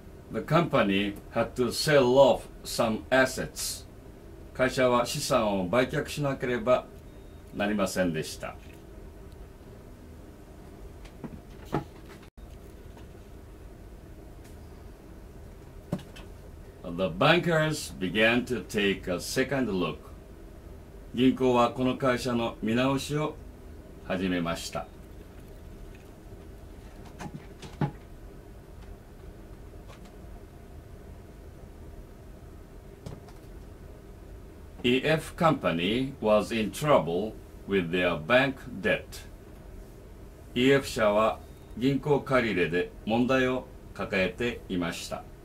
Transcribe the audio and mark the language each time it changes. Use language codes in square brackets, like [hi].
[en] The company had to sell off some assets. [ja] 会社は資産を売却しなければなりませんでした。 [en] The bankers began to take a second look. [ja] 銀行はこの会社の見直しを始めました。 [en] EF company was in trouble with their bank debt. [ja] EF 社は銀行借り入れで問題を抱えていました。